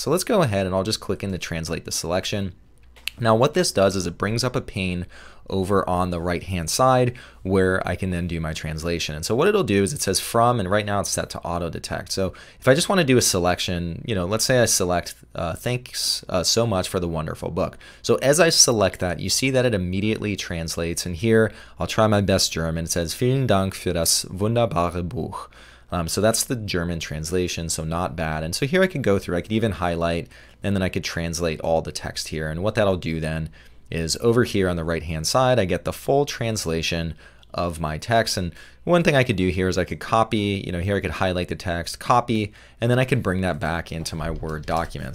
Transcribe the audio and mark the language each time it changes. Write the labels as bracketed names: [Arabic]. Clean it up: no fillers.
[English] So let's go ahead and I'll just click into translate the selection. Now what this does is it brings up a pane over on the right hand side where I can then do my translation. And so what it'll do is it says from, and right now it's set to auto detect. So if I just want to do a selection, you know, let's say I select thanks so much for the wonderful book. So as I select that, you see that it immediately translates. And here I'll try my best German. It says [German] vielen Dank für das wunderbare Buch. [English] So that's the German translation, so not bad. And so here I could go through, I could even highlight, and then I could translate all the text here. And what that'll do then is over here on the right-hand side, I get the full translation of my text. And one thing I could do here is I could copy, you know, here I could highlight the text, copy, and then I could bring that back into my Word document.